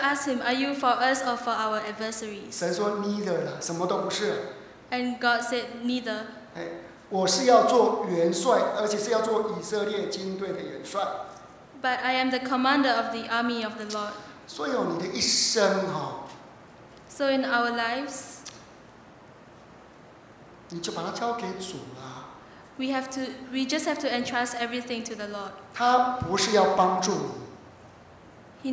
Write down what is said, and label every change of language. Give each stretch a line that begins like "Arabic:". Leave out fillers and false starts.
English: asked him, "Are you for us or for our adversaries?"
Chinese: 神说 ：
English: “Neither
Chinese: 了，什么都不是。”
English: And God said, "Neither."
Chinese: 我是要做元帅，而且是要做以色列军队的元帅。
English: But I am the commander of the army of the Lord.
Chinese: 所有你的一生，
English: So in our lives,
Chinese: 你就把它交给主了。
English: We just have to entrust everything to the Lord.
Chinese: 他不是要帮助你,